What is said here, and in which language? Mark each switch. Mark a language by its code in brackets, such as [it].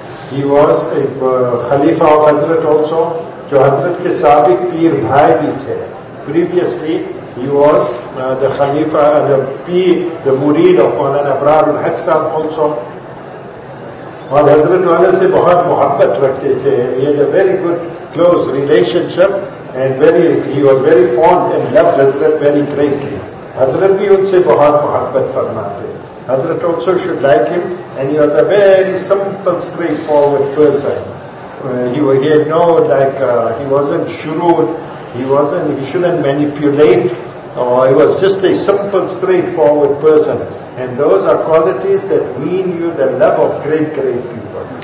[en] He was a Khalifa of Hazrat also, [ur] جو حضرت کے سابق پیر بھائی بھی تھے. [en] Previously he was the Khalifa, the murid of Maulana Abrar al-Haq sahab also. [ur] اور حضرت والے سے بہت محبت رکھتے تھے. [en] He had a very good close relationship and he was very fond and loved حضرت very greatly. [ur] حضرت بھی ان سے بہت محبت فرماتے. [en] حضرت also should like him and he was a very simple, straightforward person. He wasn't shrewd, he shouldn't manipulate, or he was just a simple, straightforward person. And those are qualities that win you the love of great, great people.